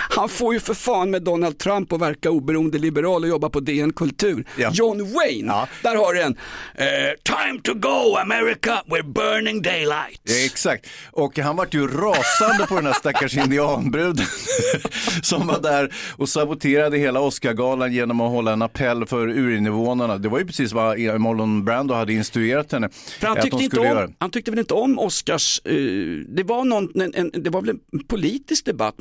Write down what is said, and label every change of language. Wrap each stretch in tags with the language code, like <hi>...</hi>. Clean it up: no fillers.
<sv>Han får ju för fan med Donald Trump att verka oberoende liberal och jobba på DN Kultur. Ja. John Wayne, ja. Där har du en.</sv> <en>Time to go America, we're burning daylight.</en> <sv>Ja, exakt. Och han vart ju rasande på den här stackars indianbruden som var där och saboterade hela Oscar-galan. Galan genom att hålla en appell för urinvånarna. Det var ju precis vad Marlon Brando hade instruerat henne. Han tyckte väl inte om Oscars. Det var väl en politisk debatt.</sv>